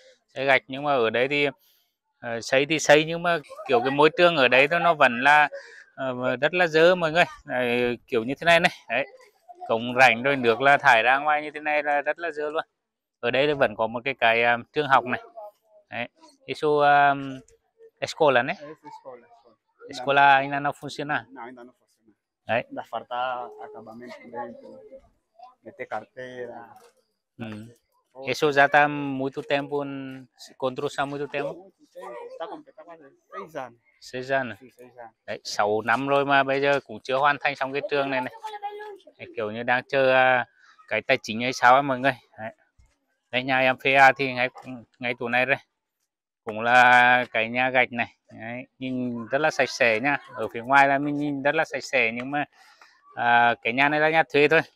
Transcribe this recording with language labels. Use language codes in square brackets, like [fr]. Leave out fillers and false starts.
[vi] Xây gạch nhưng mà ở đấy thì xây nhưng mà kiểu cái môi trường ở đấy nó vẫn là rất là dơ mọi người, kiểu như thế này này, đấy, cống rãnh rồi nước là thải ra ngoài như thế này là rất là dơ luôn. Ở đây thì vẫn có một cái trường học này, đấy, [pt] isso escola né? Escola ainda não funciona? Não, ainda não funciona. Ainda falta acabamento dentro, meter carteira. Isso já está muito tempo, construção muito tempo? Está completado há 6 anos. 6 anos. [vi] Đấy, 6 năm rồi mà bây giờ cũng chưa hoàn thành xong cái trường này này. Đấy, kiểu như đang chờ cái tài chính hay sao ấy mọi người. Đấy. Đấy, nhà em Phía thì ngay chỗ này đây. Cũng là cái nhà gạch này. Đấy, nhìn rất là sạch sẽ nha. Ở phía ngoài là mình nhìn rất là sạch sẽ nhưng mà cái nhà này là nhà thuê thôi.